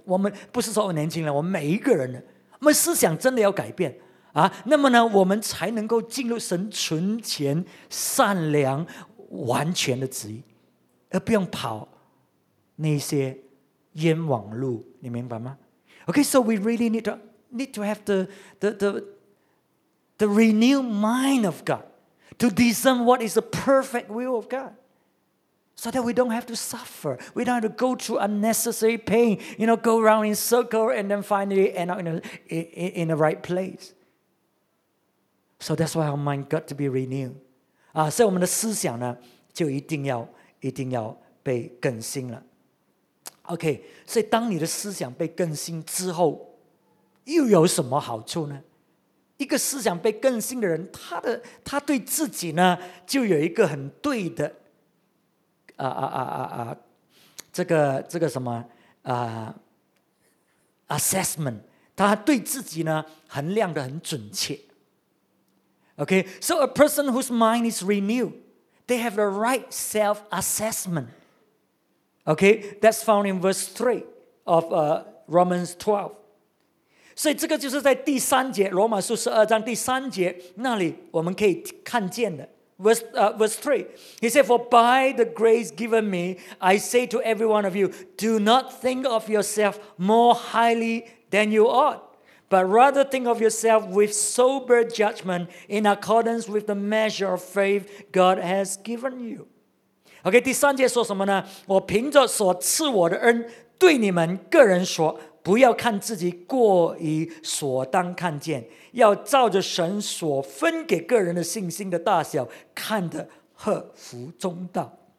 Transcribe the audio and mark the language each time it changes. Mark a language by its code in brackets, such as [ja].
[zh] 我们不是说我年轻人，我们每一个人，我们思想真的要改变那么呢，我们才能够进入神存钱、善良、完全的旨意，而不用跑那些冤枉路，你明白吗？ [en] Okay, so we really need to have the renewed mind of God to discern what is the perfect will of God so that we don't have to suffer. We don't have to go through unnecessary pain, you know, go around in circles and then finally end up in the right place. So that's why our mind got to be renewed. [zh] 所以我们的思想呢就一定要被更新了。 OK， 所以当你的思想被更新之后，又有什么好处呢？一个思想被更新的人，他对自己呢就有一个很对的这个什么assessment， 他对自己呢衡量的很准确。 [en] Okay, so a person whose mind is renewed, they have the right self-assessment. Okay, that's found in verse 3 of Romans 12. [zh] 所以这个就是在第三节，罗马书十二章第三节那里我们可以看见的。 [en] Verse 3, he said, for by the grace given me, I say to every one of you, do not think of yourself more highly than you ought, but rather think of yourself with sober judgment in accordance with the measure of faith God has given you. [zh] Okay, 第三节说什么呢？我凭着所赐我的恩，对你们个人说，不要看自己过于所当看见，要照着神所分给个人的信心的大小，看得合乎中道。